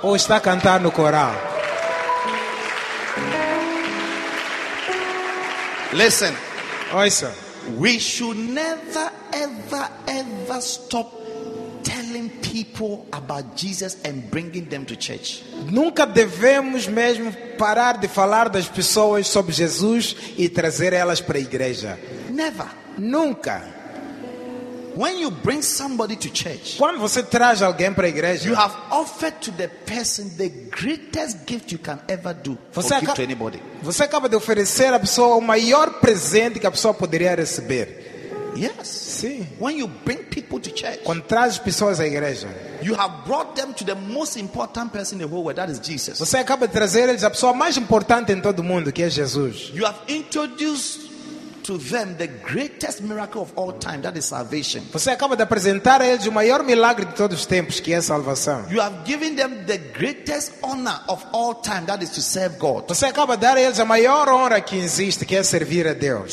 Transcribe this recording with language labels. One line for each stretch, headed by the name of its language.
Portuguese: Ou está cantando no coral.
English: Listen, oi, sir. We should never, ever, ever stop telling people about Jesus and bringing them to church.
Portuguese: Nunca devemos mesmo parar de falar das pessoas sobre Jesus e trazer elas para a igreja.
English: Never.
Portuguese: Nunca.
English: When you bring somebody to church,
Portuguese: quando você traz alguém para a igreja,
English: you have offered to the person the greatest gift you can ever do to anybody.
Portuguese: Você acaba de oferecer à pessoa o maior presente que a pessoa poderia receber.
English: Yes.
Portuguese: Sim.
English: When you bring people to church,
Portuguese: quando traz pessoas à igreja,
English: you have brought them to the most important person in the whole world, that is Jesus.
Portuguese: Você acaba de trazer eles à pessoa mais importante em todo o mundo, que é Jesus.
English: You have introduced to them the greatest miracle of all time, that is salvation.
Portuguese: Você acaba de apresentar a eles o maior milagre de todos os tempos, que é a salvação.
English: You have given them the greatest honor of all time, that is to serve God.
Portuguese: Você acaba de dar a eles a maior honra que existe, que é servir a Deus.